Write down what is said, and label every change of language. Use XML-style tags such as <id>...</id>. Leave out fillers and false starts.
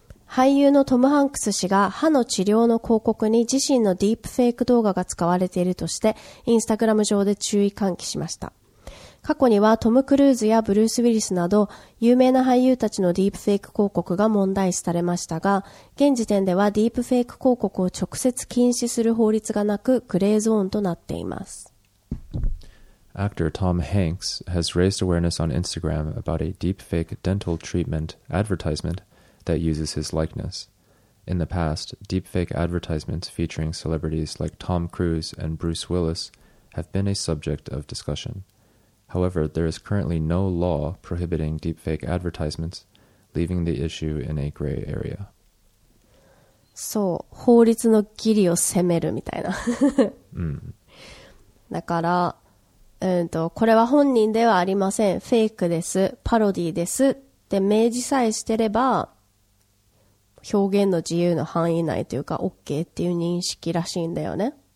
<ja>俳優のトム・ハンクス氏が歯の治療の広告に自身のディープフェイク動画が使われているとしてインスタグラム上で注意喚起しました。過去にはトム・クルーズやブルース・ウィリスなど有名な俳優たちのディープフェイク広告が問題視されましたが、現時点ではディープフェイク広告を直接禁止する法律がなくグレーゾーンとなっています。</ja> <en>Actor Tom Hanks has raised awareness on Instagram about a deep fake dental treatment advertisementthat uses his likeness. In the past, deepfake advertisements featuring celebrities like Tom Cruise and Bruce Willis have been a subject of discussion. However, there is currently no law prohibiting deepfake advertisements, leaving the issue in a gray area.</en> <ja>そう、法律のギリを攻めるみたいな。だから、これは本人ではありません。フェイクです。パロディです。って明示さえしてれば、表現の自由の範囲内というか OK っていう認識らしいんだよね。</ja>